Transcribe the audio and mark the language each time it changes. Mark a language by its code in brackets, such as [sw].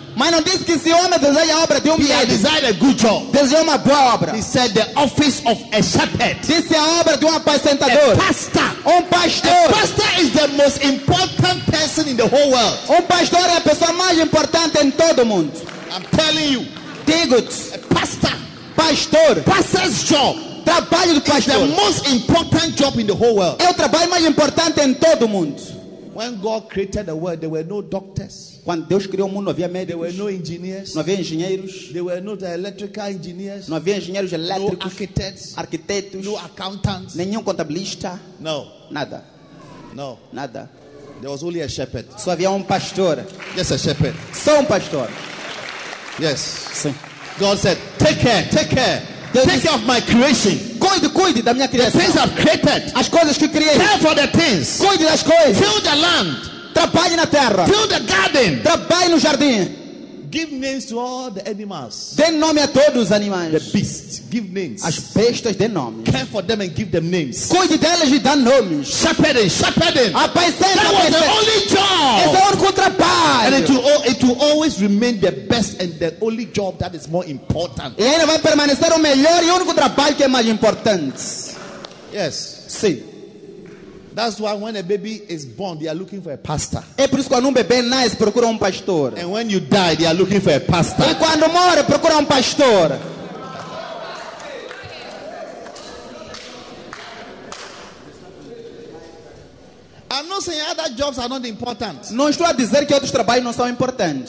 [pt] Mas não disse que se homem deseja a obra de médico. [en] He had desired a good job. [pt] Deseja uma boa obra. [en] He said the office of a shepherd. [pt] Disse a obra de apacentador. [en] A pastor. [pt] Pastor. [en] A pastor is the most important person in the whole world. [pt] Pastor é a pessoa mais importante em todo mundo. [en] I'm telling you. [pt] Digo-te. [en] A pastor. [pt] Pastor. [en] Pastor's job. [pt] Trabalho do pastor. [en] Is the most important job in the whole world. [pt] É o trabalho mais importante em todo mundo. [en] When God created the world, there were no doctors. [pt] Quando Deus criou o mundo, não havia médicos. [en] There were no engineers. [pt] Não havia engenheiros. [en] There were no electrical engineers. [pt] Não havia engenheiros elétricos. [en] No architects. [pt] Arquitetos. [en] No accountants. [pt] Nenhum contabilista. [en] No. [pt] Nada. [en] No. [pt] Nada. [en] There was only a shepherd. [pt] Só havia pastor. [en] Yes, a shepherd. [pt] Só pastor. [en] Yes. [pt] Sim. [en] God said, take care, take care. Take care of my creation. [pt] Cuide da minha criação. [en] The things I've created. [pt] As coisas que criei. [en] Care for the things. [pt] Cuide das coisas. [en] Fill the land. [pt] Trabalhe na terra. [en] Fill the garden. [pt] Trabalhe no jardim. [en] Give names to all the animals. [pt] Dê nome a todos os animais. [en] The beasts. Give names. [pt] As bestas, dê nomes. [en] Care for them and give them names. [pt] Cuide delas e dê nomes. [en] Shepherding, shepherding. [pt] Apaisenta, [en] that was the only job. [pt] Esse é o único trabalho. [en] And it will always remain the best and the only job that is more important. [pt] E ainda vai permanecer o melhor e o único trabalho que é mais importante. [en] Yes. [pt] Sim. [en] That's why when a baby is born, they are looking for a pastor. [pt] É por isso que quando bebê nasce, procura pastor. [en] And when you die, they are looking for a pastor. [pt] E quando morre, procura pastor. [en] I'm not saying other jobs are not important. [pt] Não estou a dizer que outros trabalhos não são importantes.